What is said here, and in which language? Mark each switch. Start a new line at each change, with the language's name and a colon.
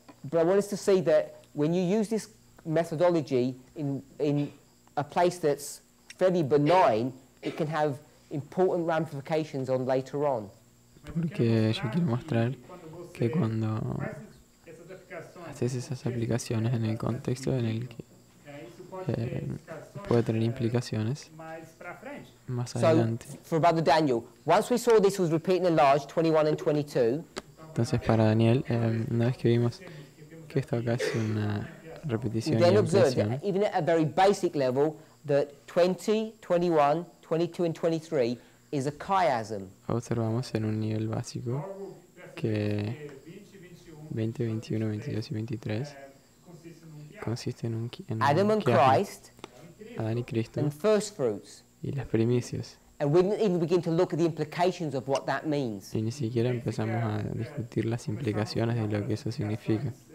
English: But I want us to see that when you use this methodology in a place that's fairly benign, it can have important ramifications on later on.
Spanish: Porque yo quiero mostrar que cuando haces esas aplicaciones en el contexto en el que puede tener implicaciones más adelante.
English: So, for Brother Daniel, once we saw this was repeating in large 21 and 22.
Spanish: Entonces para Daniel, una vez que vimos que esto acá es una repetición y ampliación,
English: even at a very basic level, that 20, 21, 22 and 23 is a chiasm.
Spanish: Observamos en un nivel básico que 20, 21, 22 y 23 consiste en un chiasm.
English: Adam and Christ,
Spanish: Adán y Cristo,
English: and first fruits.
Spanish: Y las primicias.
English: And we didn't even begin to look at the implications of what that means.
Spanish: Y ni siquiera empezamos a discutir las implicaciones de lo que eso significa.